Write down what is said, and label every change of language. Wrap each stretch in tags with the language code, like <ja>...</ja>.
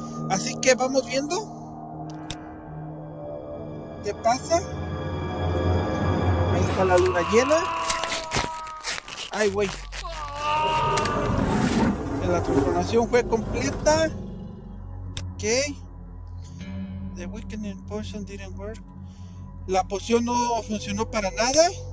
<es>Así que vamos viendo. ¿Qué pasa? Ahí está la luna llena. Ay, güey. La transformación fue completa. Ok.</es> <en>The weakening potion didn't work.</en> <es>La poción no funcionó para nada.</es>